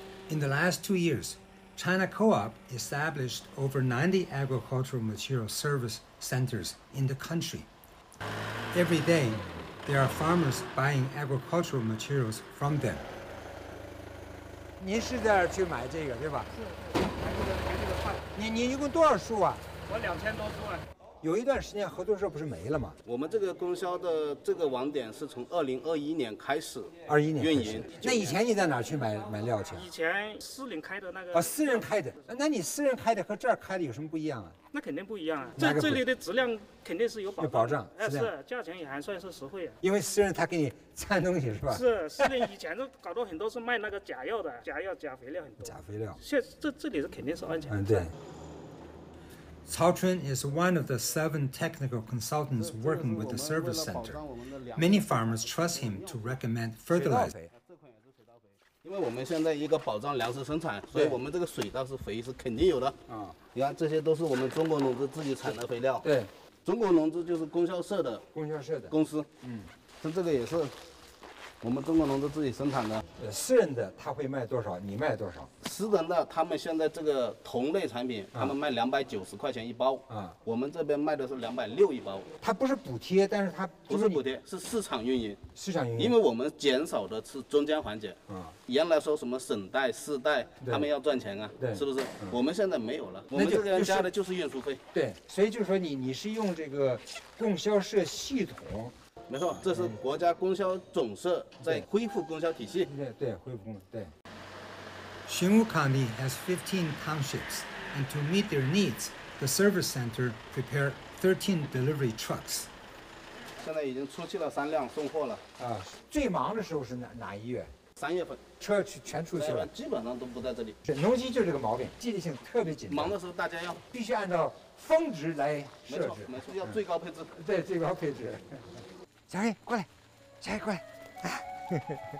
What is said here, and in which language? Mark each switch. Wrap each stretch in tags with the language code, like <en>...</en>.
<en>In the last 2 years, China Co-op established over 90 agricultural material service centers in the country. Every day, there are farmers buying agricultural materials from them.</en> <zh>您是在这儿去买这个，对吧？是。你一共多少树啊？我2000多株啊。有一段时间合作社不是没了吗？我们这个供销的这个网点是从2021年开始， 21年运营。那以前你在哪儿去买料去？以前私人开的那个。私人开的，那你私人开的和这儿开的有什么不一样啊？那肯定不一样啊，这里的质量肯定是有保障。是，价钱也还算是实惠啊。因为私人他给你掺东西是吧？是，私人以前都搞到很多是卖那个假药的，假药、假肥料很多。假肥料。现在这里是肯定是安全的。嗯，对。</zh> <en>Cao Chun is one of the 7 technical consultants working with the service center. Many farmers trust him to recommend fertilizer.</en> <zh>因为我们现在一个保障粮食生产，所以我们这个水稻是肥是肯定有的。你看这些都是我们中国农资自己产的肥料。对，中国农资就是供销社的。供销社的公司。嗯，像这个也是我们中国农资自己生产的。私人的他会卖多少？你卖多少？私人的他们现在这个同类产品，他们卖290块钱一包。我们这边卖的是260一包。它不是补贴，但是它不是补贴，是市场运营。市场运营。因为我们减少的是中间环节。原来说什么省代、市代，他们要赚钱啊，是不是？我们现在没有了，我们这边加的就是运输费。对，所以就是说你是用这个供销社系统。没错，这是国家供销总社在恢复供销体系。对，恢复供，对。</zh> <en>Xinwu County has 15 townships, and to meet their needs, the service center prepared 13 delivery trucks.</en> <zh>现在已经出去了三辆送货了。啊，最忙的时候是哪一月？三月份。车全出去了。基本上都不在这里。是，农机就是这个毛病，季节性特别紧张。忙的时候大家要必须按照峰值来设置。没错，要最高配置。嗯、对，最高配置。小黑，过来，小黑过来。</zh>